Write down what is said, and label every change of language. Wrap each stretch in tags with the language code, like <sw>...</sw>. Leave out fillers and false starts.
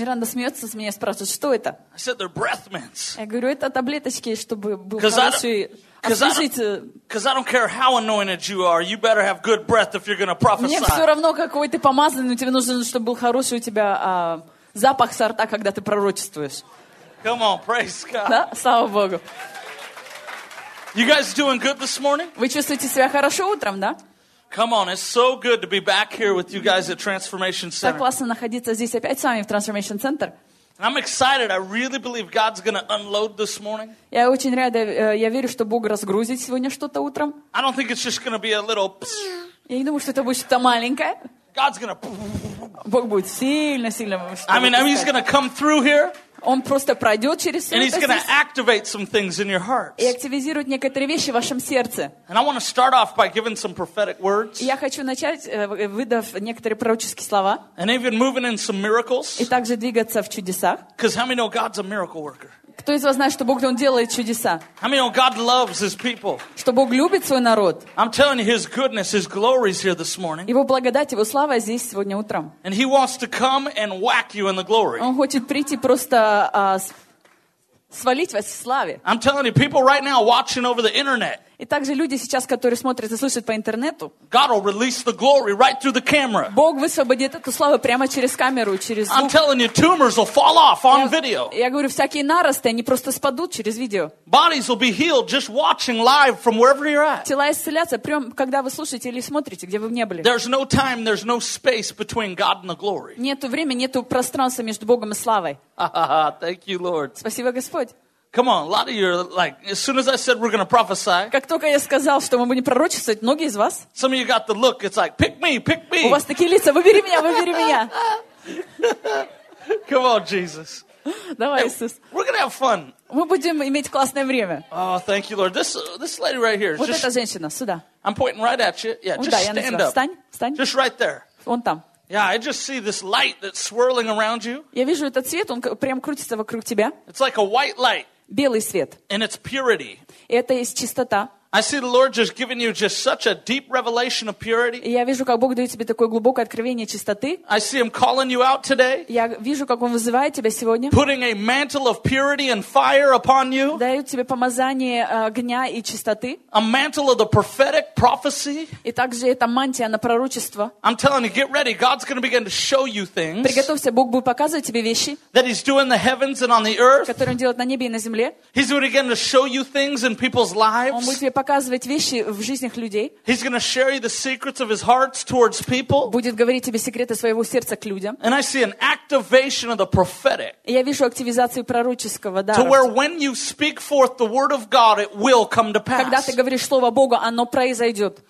<ru>Миранда смеется с меня, спрашивает, что это?</ru> <en>I said, "They're breath mints."</en> <ru>Я говорю, это таблеточки, чтобы был хороший.</ru> <en>Because I don't care how anointed you are, you better have good breath if you're going to prophesy.</en> <ru>Мне все равно, какой ты помазанный, но тебе нужно, чтобы был хороший у тебя запах со рта, когда ты пророчествуешь.</ru> <en>Come on, praise God.</en> <ru>Да, слава Богу.</ru> <en>You guys doing good this morning?</en> <ru>Вы чувствуете себя хорошо утром, да?</ru> <en>Come on, it's so good to be back here with you guys at Transformation Center.</en> <ru>Так классно находиться здесь опять с вами в Transformation Center.</ru> <en>I'm excited. I really believe God's going to unload this morning.</en> <ru>Я очень рад. Я верю, что Бог разгрузит сегодня что-то утром.</ru> <en>I don't think it's just going to be a little.</en> <ru>Я не думаю, что это будет что-то маленькое.</ru> <en>God's going to.</en> <ru>Бог будет сильно-сильно.</ru> <en>He's going to come through here.</en> <ru>Он просто пройдет через</ru> <en>это. And he's going to activate some things in your hearts.</en> <ru>И активизирует некоторые вещи в вашем сердце.</ru> <en>And I want to start off by giving some prophetic words.</en> <ru>Я хочу начать, выдав некоторые пророческие слова.</ru> <en>And even moving in some miracles.</en> <ru>И также двигаться в чудесах.</ru> <en>Because how many know God's a miracle worker?</en> <ru>Кто из вас знает, что Бог, он делает чудеса?</ru> <en>How many know God loves His people?</en> <ru>Что Бог любит свой народ?</ru> <en>I'm telling you, His goodness, His glory is here this morning.</en> <ru>Его благодать, Его слава здесь сегодня утром.</ru> <en>And He wants to come and whack you in the glory.</en> <ru>Он хочет прийти просто свалить вас в славе.</ru> <en>I'm telling you, people right now watching over the internet.</en> <ru>И также люди сейчас, которые смотрят и слушают по интернету.</ru> <en>God will release the glory right through the camera.</en> <ru>Бог высвободит эту славу прямо через камеру, через.</ru> <en>I'm telling you, tumors will fall off on video.</en> <ru>Я говорю, всякие наросты, они просто спадут через видео.</ru> <en>Bodies will be healed just watching live from wherever you're at.</en> <ru>Тела исцелятся прямо, когда вы слушаете или смотрите, где вы не были.</ru> <en>There's no time, there's no space between God and the glory.</en> <ru>Нету времени, нету пространства между Богом и славой.</ru> <en>Thank you, Lord.</en> <ru>Спасибо, Господь.</ru> <en>Come on, a lot of you are like, as soon as I said we're going to prophesy.</en> <ru>Как только я сказал, что мы будем пророчествовать, многие из вас.</ru> <en>Some of you got the look. It's like, pick me, pick me.</en> <ru>У вас такие лица. Выбери меня, выбери меня.</ru> <en>Come on, Jesus.</en> <ru>Давай, Иисус.</ru> <en>We're going to have fun.</en> <ru>Мы будем иметь классное время.</ru> <en>Oh, thank you, Lord. This lady right here.</en> <ru>Вот эта женщина сюда.</ru> <en>I'm pointing right at you. Yeah, just stand up.</en> <ru>Встань.</ru> <en>Just right there.</en> <ru>Вон там.</ru> <en>Yeah, I just see this light that's swirling around you.</en> <ru>Я вижу этот свет, он прям крутится вокруг тебя.</ru> <en>It's like a white light.</en> <ru>Белый свет.</ru> <en>And it's purity.</en> <ru>И это есть чистота.</ru> <en>I see the Lord just giving you just such a deep revelation of purity.</en> <ru>Я вижу, как Бог дает тебе такое глубокое откровение чистоты.</ru> <en>I see Him calling you out today.</en> <ru>Я вижу, как Он вызывает тебя сегодня.</ru> <en>Putting a mantle of purity and fire upon you.</en> <ru>Дает тебе помазание огня и чистоты.</ru> <en>A mantle of the prophetic prophecy.</en> <ru>И также это мантия на пророчество.</ru> <en>I'm telling you, get ready. God's going to begin to show you things.</en> <ru>Приготовься, Бог будет показывать тебе вещи.</ru> <en>That He's doing the heavens and on the earth.</en> <ru>Которые Он делает на небе и на земле.</ru> <en>He's going to begin to show you things in people's lives.</en> <ru>Показывать вещи в жизнях людей. Будет говорить тебе секреты своего сердца к людям.</ru> <en>And I see an activation of the prophetic.</en> <ru>Я вижу активизацию пророческого дара. Когда ты говоришь слово Бога, оно произойдет.</ru>